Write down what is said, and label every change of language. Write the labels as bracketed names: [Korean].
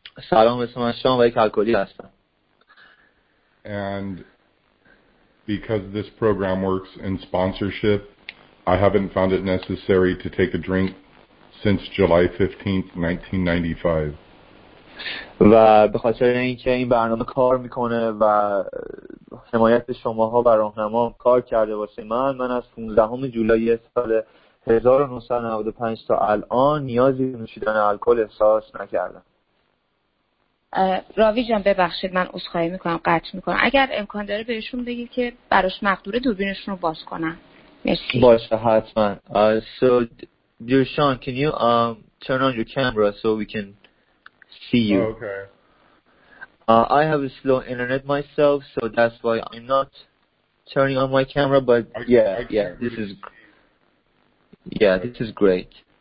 [Persian] سلام، اسم من شان و یک الکلی هستم. [English] And because this program works in sponsorship, I haven't found it necessary to take a drink since July 15th, 1995. [Persian] و به خاطر اینکه این برنامه کار میکنه و حمایت شماها و راهنمام کار کرده واسه من، من از 15 جولای سال 1995 تا الان نیازی به نوشیدن الکل احساس نکردم. راوی جان ببخشید، من عذرخواهی میکنم، قطع میکنم. اگر امکان داره بهشون بگید که براش مقدوره دوربینشون رو باز کنن. مرسی. باشه حتما. [English] So dear Sean, can you turn on your camera so we can see you? Okay. I have a slow internet myself, so that's why I'm not turning on my camera, but this is great.